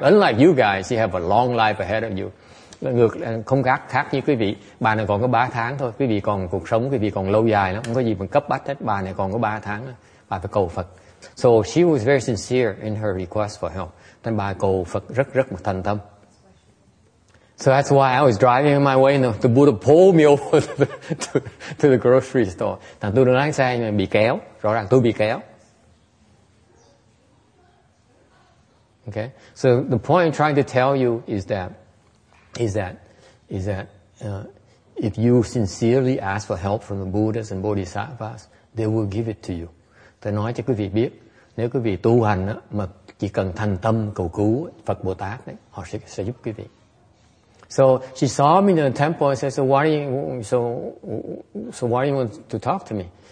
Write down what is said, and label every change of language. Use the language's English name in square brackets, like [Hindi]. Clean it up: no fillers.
[English] Unlike you guys, she have a long life ahead of you. [Vietnamese] Ngược, không khác, khác với quý vị. Bà này còn có 3 tháng thôi. Quý vị còn cuộc sống, quý vị còn lâu dài lắm. Không có gì mà cấp bách hết. Bà này còn có 3 tháng. Bà phải cầu Phật. [English] So she was very sincere in her request for help. [Vietnamese] Nên bà cầu Phật rất rất thành tâm. [English] So that's why I was driving on my way and the Buddha pulled me over to the grocery store. [Vietnamese] Thằng tôi đang lái xe nhưng bị kéo. Rõ ràng tôi bị kéo. [English] Okay. So the point I'm trying to tell you is that if you sincerely ask for help from the Buddhas and Bodhisattvas, they will give it to you. [Vietnamese] Tôi nói cho quý vị biết, nếu quý vị tu hành á, mà chỉ cần thành tâm cầu cứu Phật Bồ Tát đấy, họ sẽ giúp quý vị. [English] So she saw me in the temple and said, so why do you want to talk to me?